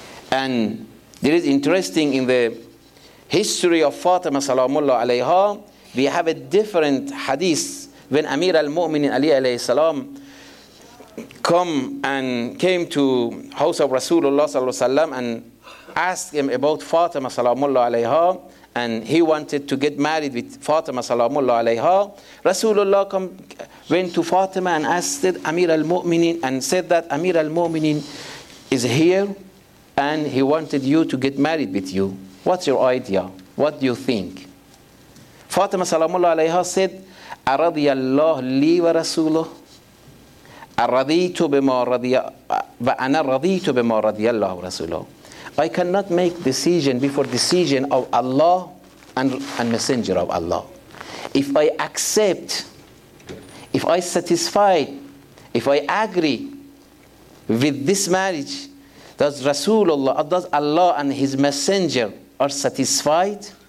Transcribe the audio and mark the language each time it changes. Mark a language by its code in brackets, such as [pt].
[en] And there is interesting in the history of Fatima salamullah alayha, we have a different hadith when Amir al-Mu'minin Ali alayhi salam came to house of Rasulullah sallallahu alayhi wa sallam and asked him about Fatima salamullah alayha, and he wanted to get married with Fatima salamullah alayha. Rasulullah went to Fatima and asked Amir al-Mu'minin and said that Amir al-Mu'minin is here and he wanted you to get married with you. What's your idea? What do you think? Fatima salamullah alayha said, [ar] أَرَضِيَ اللَّهُ لِي وَرَسُولُهُ أَرَضِيْتُ بِمَا رَضِيَ وَأَنَا رَضِيْتُ بِمَا رَضِيَ اللَّهُ وَرَسُولُهُ. [en] I cannot make decision before decision of Allah and Messenger of Allah. If I accept, if I satisfied, if I agree with this marriage, does Rasulullah, does Allah and His Messenger are satisfied?